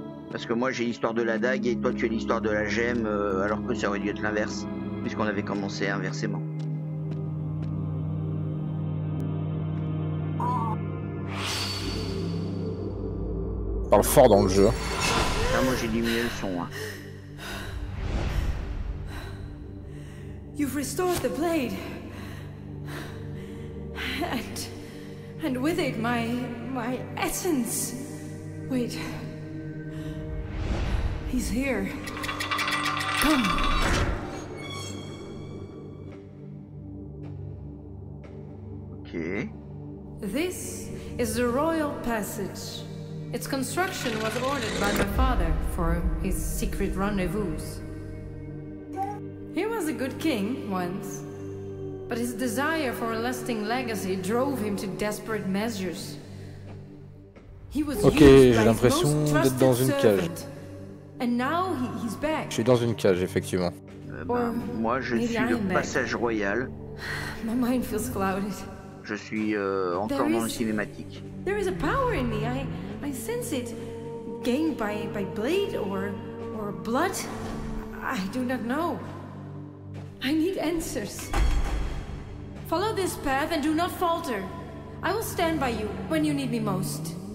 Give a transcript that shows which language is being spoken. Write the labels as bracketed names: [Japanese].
[French] Parce que moi j'ai l'histoire de la dague et toi tu as l'histoire de la gemme, alors que ça aurait dû être l'inverse, puisqu'on avait commencé inversement. Parle fort dans le jeu. Ah, moi j'ai diminué le son. Hein. [English] You've restored the blade. And with it my essence. Wait. He's here. Come. OK. This is the royal passage. Its construction was ordered by my father for his secret rendezvous. He was a good king once, but his desire for a lasting legacy drove him to desperate measures. He was okay, used [French] j'ai l'impression d'être dans une cage. [English] And now he's back. [French] Je suis dans une cage, effectivement. Moi, je suis le passage royal. [English] My mind feels clouded. [French] Je suis encore dans le cinématique. [English] There is a power in me. I sense it gained by blade or blood. I do not know. I need answers. Follow this path and do not falter. I will stand by you when you need me most.